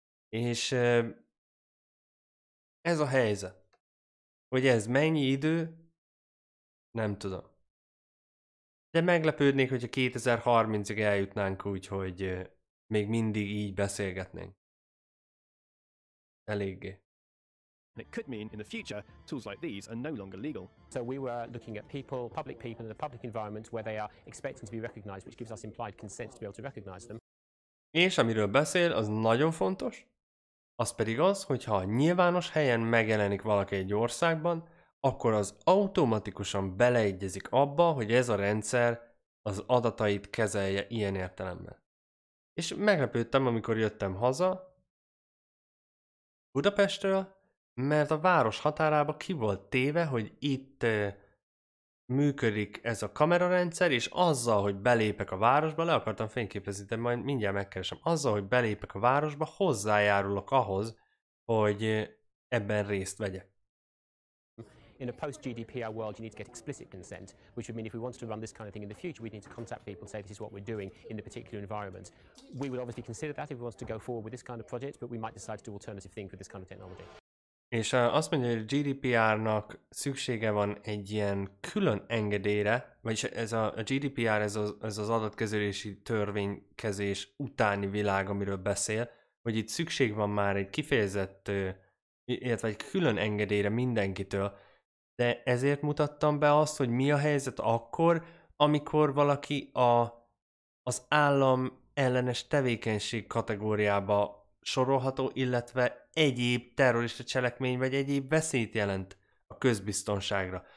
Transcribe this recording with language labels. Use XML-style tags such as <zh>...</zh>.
<hu>És ez a helyzet, hogy ez mennyi idő, nem tudom. De meglepődnék, hogyha 2030-ig eljutnánk úgy, hogy még mindig így beszélgetnénk. Eléggé.</hu> <en>And it could mean in the future tools like these are no longer legal. So we were looking at public people in a public environment where they are expecting to be recognized, which gives us implied consent to be able to recognize them.</en> <hu>És amiről beszél, az nagyon fontos. Az pedig az, hogyha a nyilvános helyen megjelenik valaki egy országban, akkor az automatikusan beleegyezik abba, hogy ez a rendszer az adatait kezelje ilyen értelemben. És meglepődtem, amikor jöttem haza Budapestről, mert a város határába ki volt téve, hogy itt működik ez a kamerarendszer, és azzal, hogy belépek a városba, le akartam fényképezni, de majd mindjárt megkeresem, azzal, hogy belépek a városba, hozzájárulok ahhoz, hogy ebben részt vegyek.</hu> <en>In a post-GDPR world, you need to get explicit consent, which would mean if we wanted to run this kind of thing in the future, we'd need to contact people and say this is what we're doing in the particular environment. We would obviously consider that if we wanted to go forward with this kind of project, but we might decide to do alternative things with this kind of technology.</en> <hu>És azt mondja, hogy a GDPR-nak szüksége van egy ilyen külön engedélyre, vagyis ez a GDPR, ez az adatkezelési törvénykezés utáni világ, amiről beszél, hogy itt szükség van már egy kifejezett, illetve egy külön engedélyre mindenkitől, de ezért mutattam be azt, hogy mi a helyzet akkor, amikor valaki az állam ellenes tevékenység kategóriába sorolható, illetve egyéb terrorista cselekmény vagy egyéb veszélyt jelent a közbiztonságra.</hu>